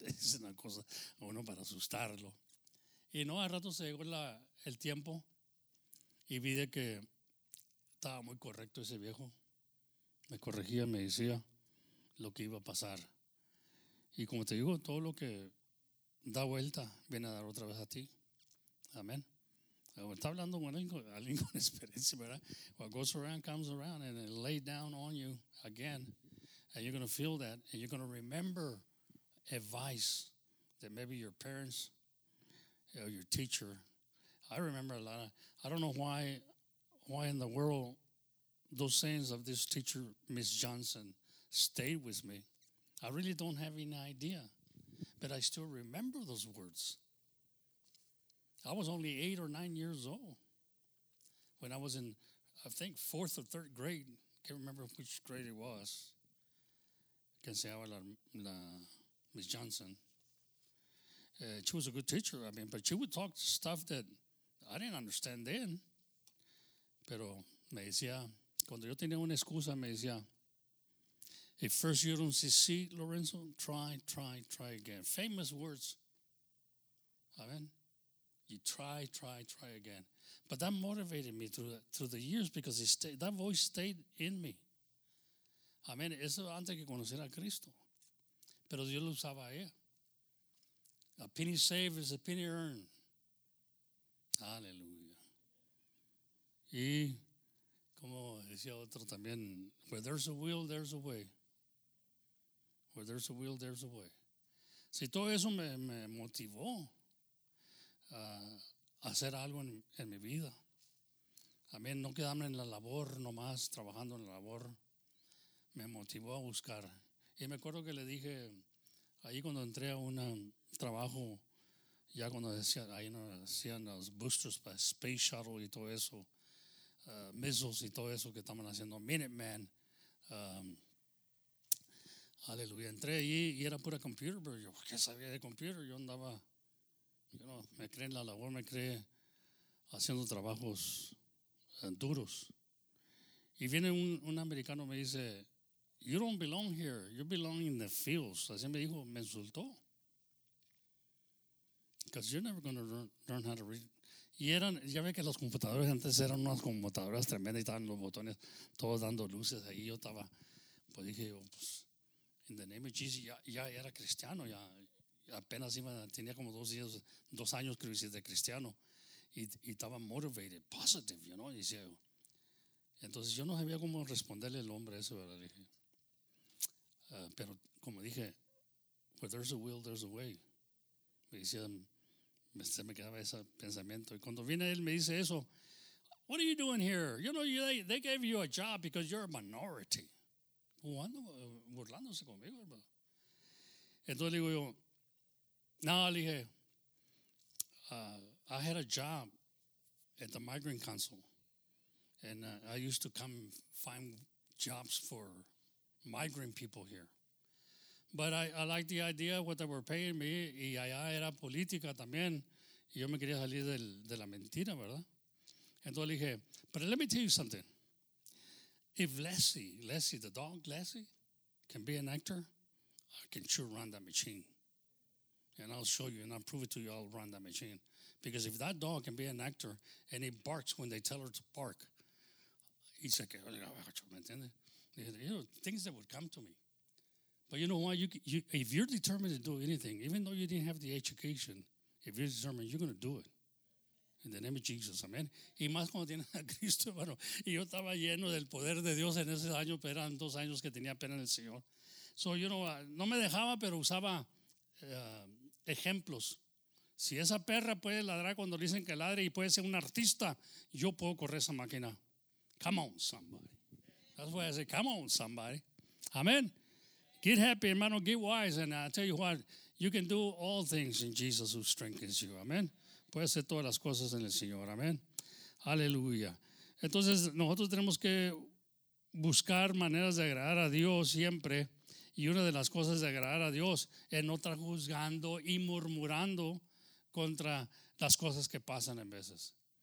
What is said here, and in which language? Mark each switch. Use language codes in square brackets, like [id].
[es] Es una cosa, uno para asustarlo. Y no, al rato se llegó el tiempo y vi de que estaba muy correcto ese viejo. Me corregía, me decía lo que iba a pasar. Y como te digo, todo lo que da vuelta viene a dar otra vez a ti. Amén. Está hablando con alguien con experiencia, ¿verdad? [en] What goes around comes around and it laid down on you again. And you're going to feel that. And you're going to remember advice that maybe your parents or your teacher. I remember a lot of, I don't know why in the world those sayings of this teacher, Miss Johnson, stayed with me. I really don't have any idea. But I still remember those words. I was only 8 or 9 years old when I was in, I think, fourth or third grade. Can't remember which grade it was. Can say I was la Miss Johnson. She was a good teacher, I mean, but she would talk stuff that I didn't understand then. [es] Pero me decía, cuando yo tenía una excusa, me decía, [en] if first you don't succeed, Lorenzo, try again. Famous words. Amen. You try again. But that motivated me through the years because that voice stayed in me. [es] Amén. Eso antes que conocer a Cristo. Pero Dios lo usaba ahí. [en] A penny saved is a penny earned. [es] Aleluya. Y como decía otro también, [en] where there's a will, there's a way. Where there's a will, there's a way. [es] Si todo eso me motivó a hacer algo en mi vida. Amén. No quedarme en la labor nomás, trabajando en la labor. Me motivó a buscar. Y me acuerdo que le dije, ahí cuando entré a un trabajo, ya cuando decía, ahí nos hacían los boosters para Space Shuttle y todo eso, missiles y todo eso que estaban haciendo, Minuteman. Aleluya. Entré ahí y era pura computer, pero yo, ¿qué sabía de computer? Yo andaba, [en] you know, [es] me cree en la labor, me cree haciendo trabajos duros. Y viene un americano, me dice, [en] you don't belong here, you belong in the fields. [es] Así me dijo, me insultó. [en] Because you're never going to learn how to read. [es] Y eran, ya ve que los computadores antes eran unas computadoras tremendas y estaban los botones todos dando luces. Ahí yo estaba, pues dije, pues, [en] in the name of Jesus, [es] ya era cristiano, ya. Apenas iba, tenía como dos años que hice de cristiano y estaba [en] motivated, positive, you know, [es] y ciego. Entonces yo no sabía cómo responderle al hombre eso, ¿verdad? Pero como dije, [en] where there's a will, there's a way. [es] Me decía, se me quedaba ese pensamiento. Y cuando viene él me dice eso, [en] what are you doing here? You know, they gave you a job because you're a minority. [es] Burlándose conmigo, hermano. Entonces le digo yo, no, le dije, [en] I had a job at the Migrant Council, and I used to come find jobs for migrant people here. But I liked the idea of what they were paying me, [es] y allá era política también, y yo me quería salir de la mentira, ¿verdad? Entonces le dije, [en] but let me tell you something. If Leslie, the dog Leslie, can be an actor, I can sure run that machine. And I'll show you, and I'll prove it to you, I'll run that machine. Because if that dog can be an actor, and it barks when they tell her to bark, it's like, [es] ¿me entiendes? [en] You know, things that would come to me. But you know what? You, if you're determined to do anything, even though you didn't have the education, if you're determined, you're going to do it. In the name of Jesus, amen. [es] Y más cuando tienes a Cristo, hermano. Y yo estaba lleno del poder de Dios en ese año, pero eran 2 años que tenía pena en el Señor. [en] So, you know, [es] no me dejaba, pero usaba ejemplos. Si esa perra puede ladrar cuando dicen que ladre y puede ser un artista, yo puedo correr esa máquina. [en] Come on, somebody. That's what I say. Come on, somebody. Amen. Get happy, hermano. Get wise. And I tell you what, you can do all things in Jesus who strengthens you. Amen. [es] Puede hacer todas las cosas en el Señor. Amen. Aleluya. Entonces, nosotros tenemos que buscar maneras de agradar a Dios siempre. Y una de las cosas de agradar a Dios es no estar juzgando y murmurando contra las cosas que pasan en veces.